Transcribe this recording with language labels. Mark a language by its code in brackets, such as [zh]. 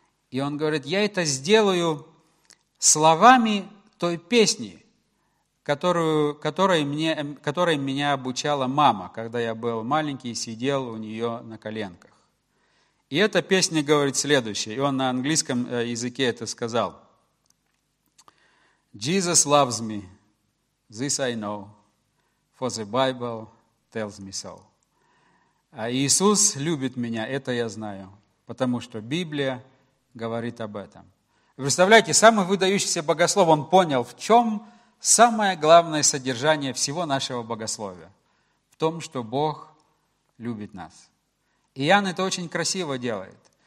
[ru] И он говорит, я это сделаю словами той песни, которой меня обучала мама, когда я был маленький и сидел у нее на коленках. И эта песня говорит следующее, и он на английском языке это сказал. [en] Jesus loves me, this I know, for the Bible tells me so. [ru] А Иисус любит меня, это я знаю, потому что Библия говорит об этом. Представляете, самый выдающийся богослов, он понял, в чем самое главное содержание всего нашего богословия. В том, что Бог любит нас. И Иоанн это очень красиво делает.